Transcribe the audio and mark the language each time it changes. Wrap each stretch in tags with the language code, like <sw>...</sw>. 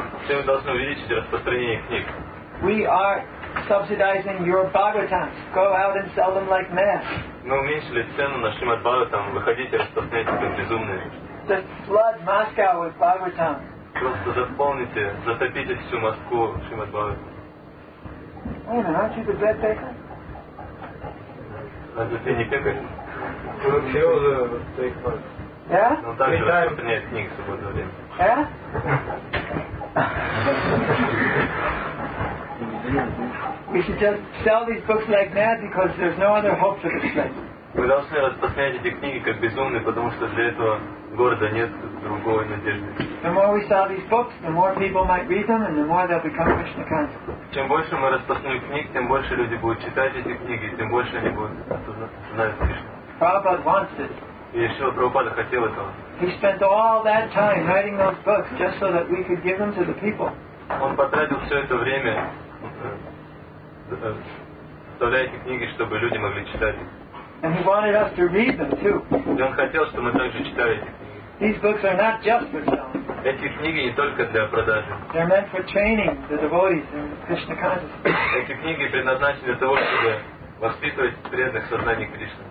<ru>Все вы должны увеличить распространение книг.</ru> <en>We are subsidizing your Bhagavatams. Go out and sell them like mad.</en> <ru>Мы уменьшили цену на Шримад Бхагаватам. Выходите, распространяйте как безумные.</ru> <en>Just flood Moscow with Bhagavatam.</en> <ru>Просто заполните, затопите всю Москву Шримад Бхагаватам.</ru> <en>Wait a minute, aren't you the bread baker?</en> <ru>Разве ты не пекарь? Все уже пекарь.</ru> <en>Yeah?</en> <ru>Но также распространяйте книги в свободное время.</ru> <en>Yeah? We should just sell these books like mad because there's no other hope for this place.</en> <ru>Мы должны распространять эти книги как безумные, потому что для этого города нет другой надежды.</ru> <en>The more we sell these books, the more people might read them, and the more they'll become Krishna conscious.</en> <ru>Чем больше мы распространим книг, тем больше люди будут читать эти книги, тем больше они будут осознавать Кришну.</ru> <en>Prabhupada wants this.</en> <ru>И Шрила Прабхупада хотел этого.</ru> <en>He spent all that time writing those books just so that we could give them to the people.</en> <ru>Он потратил все это время, составляя эти книги, чтобы люди могли читать их.</ru> <en>And he wanted us to read them too.</en> <ru>И он хотел, чтобы мы также читали эти книги.</ru> <en>These books are not just for selling.</en> <ru>Эти книги не только для продажи.</ru> <en>They're meant for training the devotees in Krishna consciousness.</en> <ru>Эти книги предназначены для того, чтобы воспитывать преданных в сознании Кришны.</ru>